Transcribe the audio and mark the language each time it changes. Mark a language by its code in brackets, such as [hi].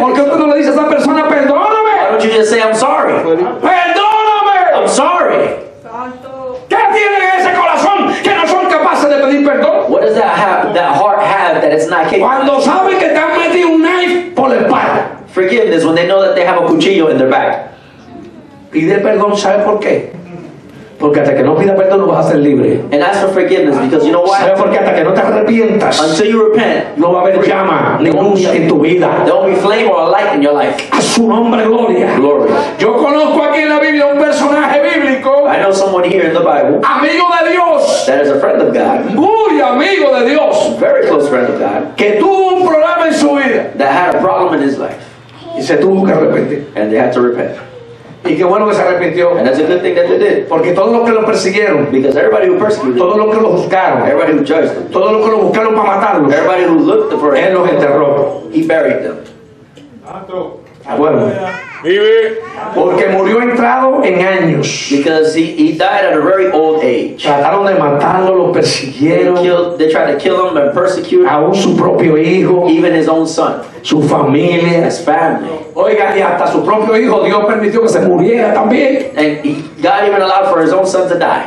[es] ¿por qué usted no le dice a esa persona perdóname? [en] Why don't you just say I'm sorry? [es] Perdóname. [en] I'm sorry. [es] ¿Qué tiene en ese corazón que no son capaces de pedir perdón? [en] What does that heart have that it's not capable? [es] Cuando saben que te han metido un knife por la espalda. [en] Forgiveness when they know that they have a cuchillo in their back. [es] Pide perdón, ¿sabes por qué? Porque hasta que no pida perdón no vas a ser libre. [en] And ask for forgiveness because you know why? [es] ¿Sabes por qué? Hasta que no te arrepientas. [en] Until you repent. [es] No va a haber llama ni luz en tu vida. [en] There won't be flame or a light in your life. [es] A su nombre, gloria. [en] Glory. [es] Yo conozco aquí en la Biblia un personaje bíblico. [en] I know someone here in the Bible. [es] Amigo de Dios. [en] That is a friend of God. [es] Muy amigo de Dios. [en] Very close friend of God. [es] Que tuvo un problema en su vida. [en] That had a problem in his life. [es] Y se tuvo que arrepentir. [en] And they had to repent. [es] Y qué bueno que se arrepintió. [en] And that's a good thing that they did. [es] Porque todos los que lo persiguieron. [en] Because everybody who persecuted him. [es] Todos los que lo juzgaron. [en] Everybody who judged them. [es] Todos los que lo buscaron para matarlo. [en] Everybody who looked for him. [es] Él los enterró. [en] He buried them. [es] Bueno. Vive. Porque murió entrado en años. [en] Because he died at a very old age. [es] Trataron de matarlo, lo persiguieron. [en] They tried to kill him and persecute. [es] Aún su propio hijo. [en] Even his own son. [es] Su familia. [en] His family. [es] Oiga, y hasta su propio hijo Dios permitió que se muriera también. [en] And God even allowed for his own son to die.